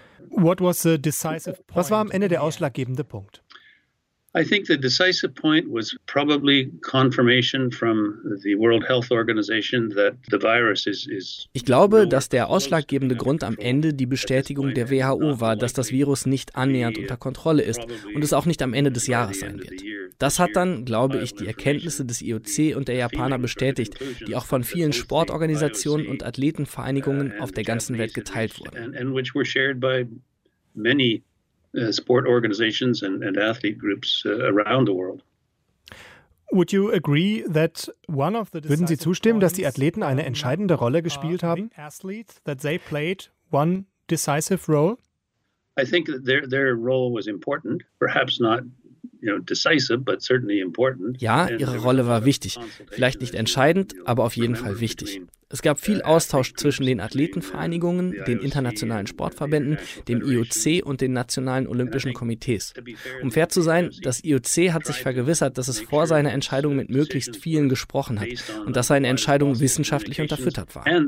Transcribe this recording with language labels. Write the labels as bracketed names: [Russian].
[German] Was war am Ende der ausschlaggebende Punkt? [English] I think the decisive point was probably confirmation from the World Health Organization that the virus is. [German] Ich glaube, dass der ausschlaggebende Grund am Ende die Bestätigung der WHO war, dass das Virus nicht annähernd unter Kontrolle ist und es auch nicht am Ende des Jahres sein wird. Das hat dann, glaube ich, die Erkenntnisse des IOC und der Japaner bestätigt, die auch von vielen Sportorganisationen und Athletenvereinigungen auf der ganzen Welt geteilt wurden. [English] Sport organizations and athlete groups around the world. Would you agree that one of the [German] Würden Sie zustimmen, dass die Athleten eine entscheidende Rolle gespielt haben? [English] That they played one decisive role? I think their role was important, perhaps not decisive, but certainly important. [German] Ja, ihre Rolle war wichtig. Vielleicht nicht entscheidend, aber auf jeden Fall wichtig. Es gab viel Austausch zwischen den Athletenvereinigungen, den internationalen Sportverbänden, dem IOC und den nationalen Olympischen Komitees. Um fair zu sein, das IOC hat sich vergewissert, dass es vor seiner Entscheidung mit möglichst vielen gesprochen hat und dass seine Entscheidung wissenschaftlich unterfüttert war.